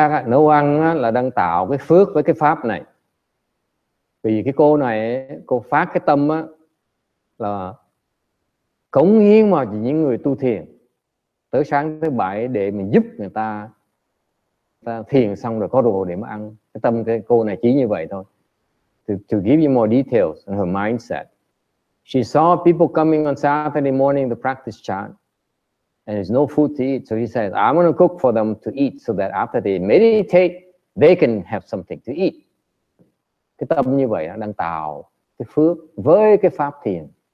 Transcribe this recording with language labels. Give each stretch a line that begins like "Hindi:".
Vietnamese: nấu ăn là đang tạo cái phước với cái pháp này. Vì cái cô này, cô phát cái tâm là cống hiến mà chỉ những người tu thiền tới sáng thứ bảy để mình giúp người ta, ta thiền xong rồi có đồ để mà ăn. Cái tâm cái cô này chỉ như vậy thôi.
English: To give you more details on her mindset. She saw people coming on Saturday morning to practice chant, and there's no food to eat. So she says, I'm going to cook for them to eat so that after they meditate, they can have something to eat.
Vietnamese: Cái tâm như vậy đó, đang tạo cái phước với cái pháp thiền.